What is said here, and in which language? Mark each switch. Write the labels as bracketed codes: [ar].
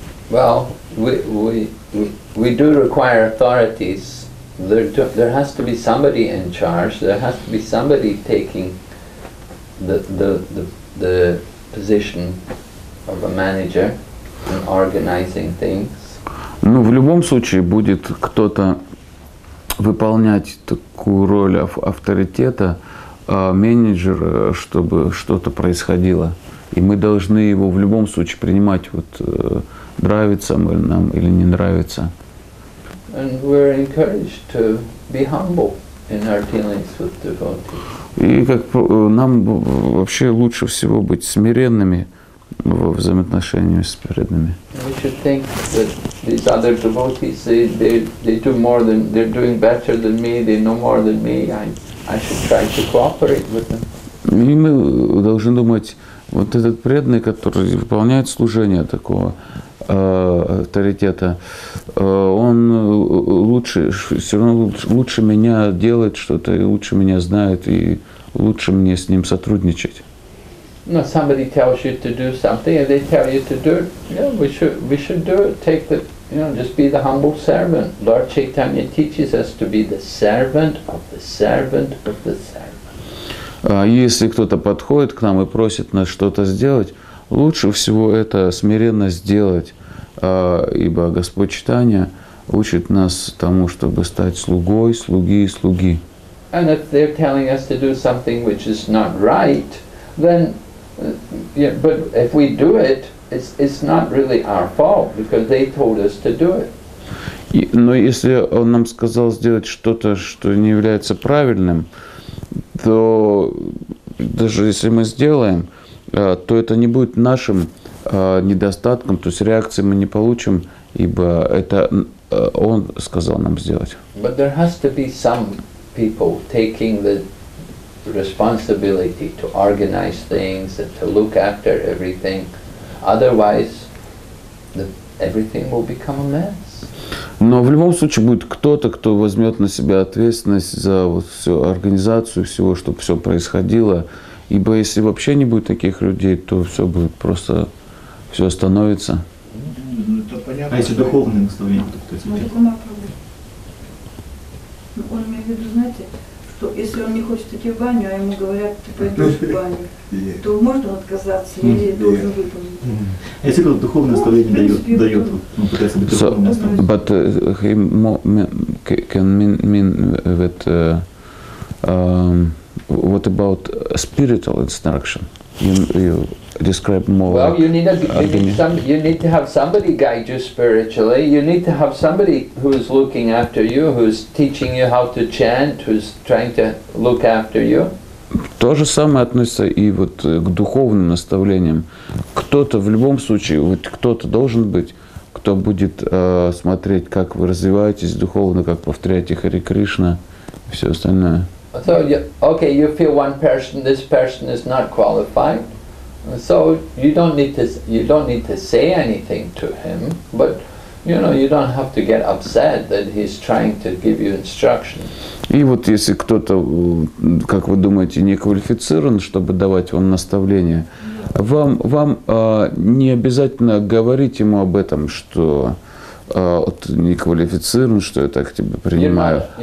[en] Well, we do require authorities. There has to be somebody in charge. There has to be somebody taking the position of a manager and organizing things. [ru] В любом случае будет кто-то выполнять такую роль авторитета, менеджера, чтобы что-то происходило. И мы должны его в любом случае принимать, вот нравится нам или не нравится. [en] And we're encouraged to be humble in our dealings with devotees. [ru] И как нам вообще лучше всего быть смиренными во взаимоотношениях с преданными. [en] We should think that these other devotees, they do more than, they're doing better than me, they know more than me. I should try to cooperate with them. [ru] И мы должны думать, вот этот преданный, который выполняет служение такого авторитета, он лучше, все равно лучше меня делает что-то, и лучше меня знает, и лучше мне с ним сотрудничать. [en] No, somebody tells you to do something, and they tell you to do it. Yeah, we should do it. Take the, you know, just be the humble servant. Lord Chaitanya teaches us to be the servant of the servant of the servant. [ru] Если кто-то подходит к нам и просит нас что-то сделать, лучше всего это смиренно сделать, ибо Господь Чайтанья учит нас тому, чтобы стать слугой, слуги и слуги. [en] And if they're telling us to do something which is not right, then, yeah, but if we do it, it's not really our fault, because they told us to do it. [ru] Но если он нам сказал сделать что-то, что не является правильным, то даже если мы сделаем, то это не будет нашим недостатком, то есть реакции мы не получим, ибо это он сказал нам сделать. [en] But there has to be some people taking the responsibility to organize things and to look after everything. Otherwise, everything will become a mess. [ru] Но в любом случае будет кто-то, кто возьмет на себя ответственность за вот всю организацию всего, чтобы все происходило. Ибо если вообще не будет таких людей, то все будет просто, все остановится. Ну, это понятно. А если духовное наставление, то кто-то изучает? Он имеет в виду, знаете, что если он не хочет идти в баню, а ему говорят, ты пойдешь в баню, то можно отказаться или должен выполнить. Если кто-то духовное наставление дает, он пытается быть духовным наставлением. [en] But he can mean that what about spiritual instruction? You describe more. Well, like you need to have somebody guide you spiritually. You need to have somebody who is looking after you, who is teaching you how to chant, who is trying to look after you. [ru] То же самое относится и вот к духовным наставлениям. Кто-то в любом случае, вот кто-то должен быть, кто будет смотреть, как вы развиваетесь духовно, как повторяете Хари Кришна, и все остальное. [en] So you feel one person, this person is not qualified. So you don't need to say anything to him, but you know, you don't have to get upset that he's trying to give you instruction. [ru] И вот если кто-то, как вы думаете, не квалифицирован, чтобы давать вам наставление, вам не обязательно говорить ему об этом, что вот не квалифицирован, что я так тебя принимаю.